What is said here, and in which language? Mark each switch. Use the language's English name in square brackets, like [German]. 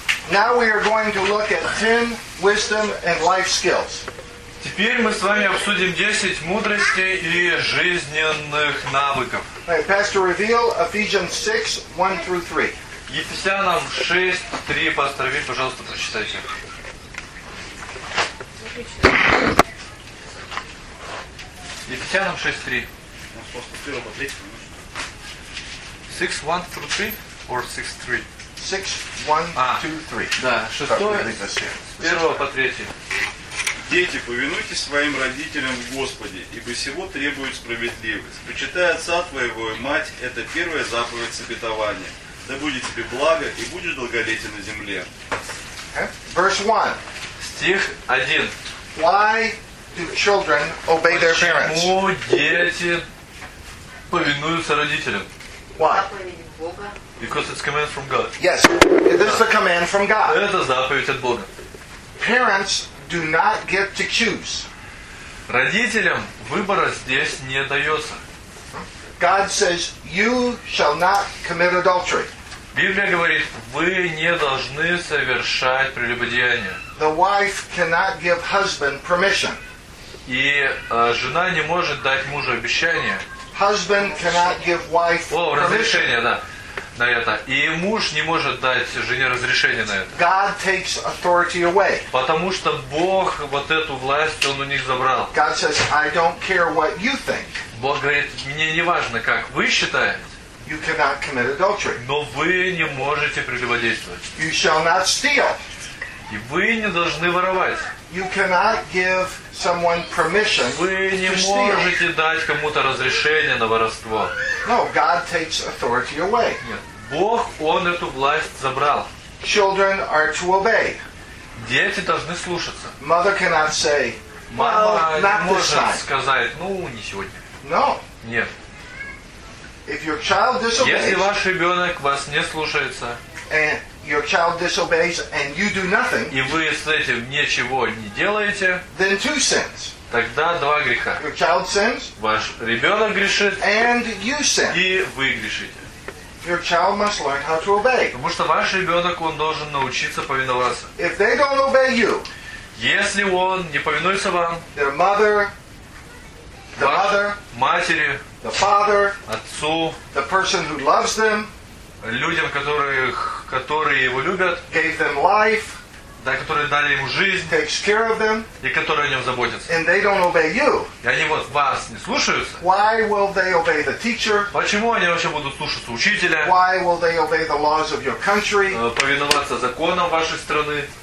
[English] Now we are going to look at 10 wisdom and life skills. [Russian] Теперь мы с вами обсудим 10 мудростей и жизненных навыков. [English] Right, Pastor Reveal, Ephesians 6, 1 through 3. [Russian] Ефесянам 6, 3. Пастор Виль, пожалуйста, прочитайте. Ефесянам 6, 3. [English] 6, 1 through 3? Or 6, 3? 6, 1, 2, 3. [Russian] Да, 6, 1 по 3. Дети, повинуйтесь своим родителям в Господе, ибо сего требует справедливость. Почитай отца твоего и мать, это первая заповедь с обетованием. Да будет тебе благо, и будешь долголетен на земле. [English] Verse 1. [Russian] Стих 1. [English] Why do children obey their parents? [Russian] Почему дети повинуются родителям? [English] Why? Because it's a command from God. Yes, this is a command from God. [Russian] Это заповедь от Бога. [English] Parents do not get to choose. [Russian] Родителям выбора здесь не дается. [English] God says, you shall not commit adultery. [Russian] Библия говорит, вы не должны совершать прелюбодеяние. [English] The wife cannot give husband permission. [Russian] И жена не может дать мужу обещание. [English] Husband cannot give wife permission. [Russian] О, разрешение, да, на это. И муж не может дать жене разрешение на это. [English] God takes authority away. [Russian] Потому что Бог вот эту власть он у них забрал. [English] God says, I don't care what you think. [Russian] Бог говорит, мне не важно, как вы считаете. [English] You cannot commit adultery. [Russian] Но вы не можете прелюбодействовать. [English] You shall not steal. [Russian] И вы не должны воровать. [English] You cannot give someone permission. [Russian] Вы не можете дать кому-то разрешение на воровство. [English] No, God takes authority away. [Russian] Нет, Бог он эту власть забрал. [English] Children are to obey. [Russian] Дети должны слушаться. [English] Mother cannot say, well, not this time. [Russian] Мама не может сказать, ну не сегодня. [English] No. [Russian] Нет. [English] If your child disobeys, [Russian] если ваш ребенок вас не слушается, [English] and your child disobeys and you do nothing, [Russian] и вы с этим ничего не делаете, [English] then two sins. [Russian] Тогда два греха. [English] Your child sins, [Russian] ваш ребенок грешит, [English] and you sin. [Russian] И вы грешите. [English] Your child must learn how to obey. [Russian] Потому что ваш ребенок он должен научиться повиноваться. [English] If they don't obey you, [Russian] если он не повинуется вам, [English] their mother, the mother, [Russian] матери, [English] the father, [Russian] отцу, [English] the person who loves them, [Russian] людям, которые его любят, [English] gave them life, [Russian] да, которые дали ему жизнь, [English] takes care of them, [Russian] и которые о нем заботятся, [English] and they don't obey you, [Russian] и они вот вас не слушаются, [English] why will they obey the teacher? [Russian] Почему они вообще будут слушаться учителя? [English] Why will they obey the laws of your country? [Russian] Повиноваться законам вашей страны?